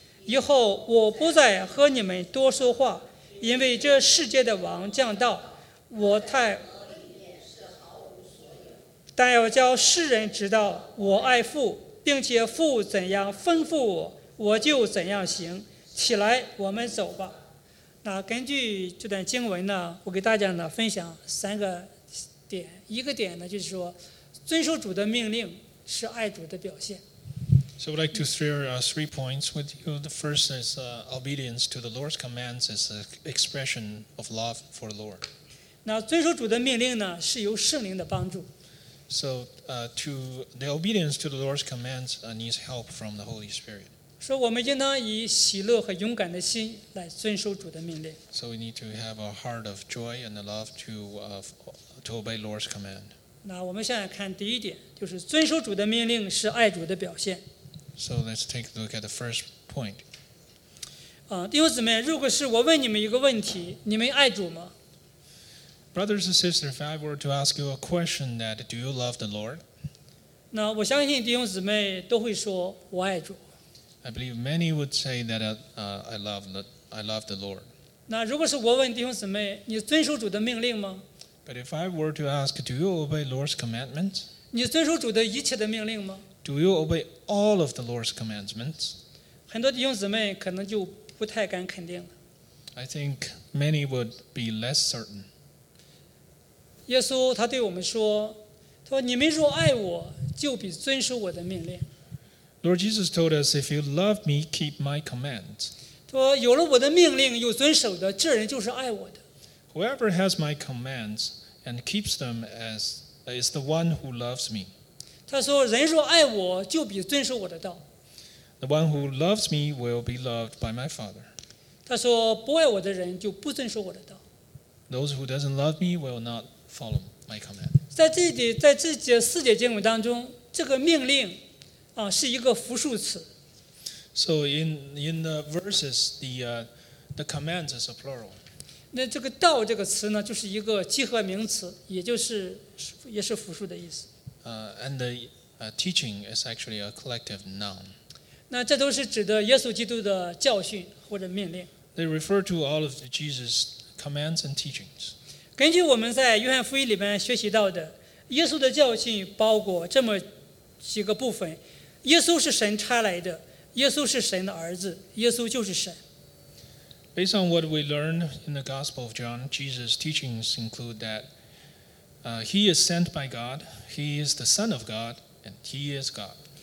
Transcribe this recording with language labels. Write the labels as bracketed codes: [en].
[zh] 以后我不再和你们多说话，因为这世界的王降道，我太但要叫世人知道我爱父，并且父怎样吩咐我，我就怎样行。起来，我们走吧。那根据这段经文呢，我给大家呢分享三个点。一个点呢，就是说遵守主的命令是爱主的表现。 [en] So I'd like to share three points with you. The first is obedience to the Lord's commands is an expression of love for the Lord. [zh] 那遵守主的命令呢，是由圣灵的帮助。 [en] So to the obedience to the Lord's commands needs help from the Holy Spirit. [zh] 说我们应当以喜乐和勇敢的心来遵守主的命令。 [en] So we need to have a heart of joy and a love to obey Lord's command. [zh] 那我们现在看第一点，就是遵守主的命令是爱主的表现。 [en] So let's take a look at the first point. [zh] 弟兄姊妹，如果是我问你们一个问题，你们爱主吗？ [en] Brothers and sisters, if I were to ask you a question that do you love the Lord? [zh] 那我相信弟兄姊妹都会说我爱主。 [en] I believe many would say that I love the Lord. [zh] 那如果是我问弟兄姊妹，你遵守主的命令吗？ [en] But if I were to ask, do you obey Lord's commandments? [zh] 你遵守主的一切的命令吗？ [en] Do you obey all of the Lord's commandments? [zh] 很多弟兄姊妹可能就不太敢肯定了。 [en] I think many would be less certain. [zh] 耶稣他对我们说，他说你们若爱我，就必遵守我的命令。 [en] Lord Jesus told us, if you love me, keep my commands. [zh] 他说有了我的命令又遵守的，这人就是爱我的。 [en] Whoever has my commands and keeps them is the one who loves me. [zh] 他说人若爱我，就必遵守我的道。 [en] The one who loves me will be loved by my Father. [zh] 他说不爱我的人就不遵守我的道。 [en] Those who doesn't love me will not. Follow my command. [zh] 在这节四节经文当中，这个命令啊是一个复数词。 [en] So in the verses, the commands is a plural. [zh] 那这个道这个词呢，就是一个集合名词，也就是也是复数的意思。 [en] And the teaching is actually a collective noun. [zh] 那这都是指的耶稣基督的教训或者命令。 [en] They refer to all of Jesus' commands and teachings. [zh] 根据我们在约翰福音里面学习到的，耶稣的教训包括这么几个部分：耶稣是神差来的，耶稣是神的儿子，耶稣就是神。 [en] Based on what we learn in the Gospel of John, Jesus' teachings include that he is sent by God, he is the Son of God, and he is God.